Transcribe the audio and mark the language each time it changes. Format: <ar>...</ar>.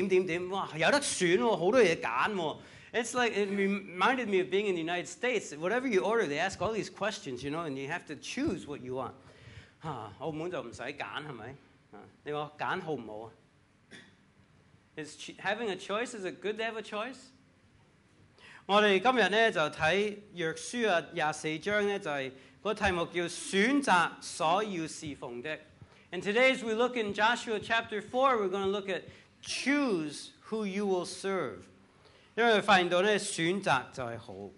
<yue>想到美國都是這樣,很煩,在美國,他叫一樣東西就問,你要怎樣,怎樣,怎樣,哇,有得選,很多東西選,it's</yue> <en>like, it reminded me of being in the United States, whatever you order, they ask all these questions, you know, and you have to choose what you want.</en> <yue>澳門就不用選,是不是?你說選好不好?</yue> <en>Is having a choice, is it good to have a choice?</en> <yue>我們今天就看約書亞24章,就是 那個題目叫選擇所要侍奉的。</yue> <en>And today as we look in Joshua chapter 4, we're going to look at choose who you will serve.</en> <yue>因為我們發現到選擇就是好,</yue>